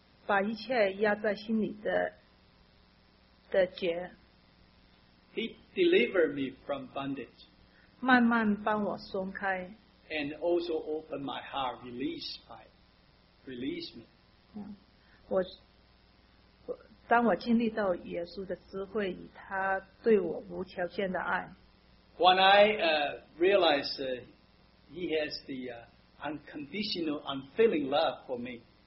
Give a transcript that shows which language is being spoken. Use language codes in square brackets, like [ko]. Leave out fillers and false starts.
[zh] 把一切压在心里的结, [en] He delivered me from bondage. [zh] 慢慢帮我松开, [en] and also opened my heart, release me. [zh] 当我经历到耶稣的智慧，以他对我无条件的爱, [en] when I realized He has the unconditional, unfailing love for me,